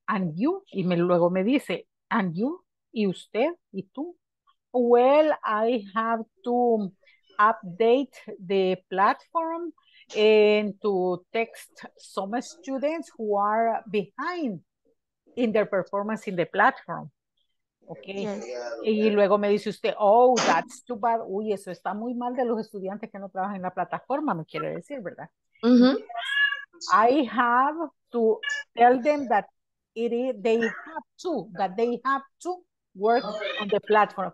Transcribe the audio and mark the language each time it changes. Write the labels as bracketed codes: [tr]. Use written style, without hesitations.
[en] And you, [es] y me, luego me dice, [en] and you, [es] y usted, y tú. [en] Well, I have to update the platform and to text some students who are behind in their performance in the platform. Okay. Yes. [es] Y luego me dice usted, [en] oh, that's too bad. [es] Uy, eso está muy mal de los estudiantes que no trabajan en la plataforma, me quiere decir, ¿verdad? Mm-hmm. [en] I have to tell them that it is, they have to work on the platform.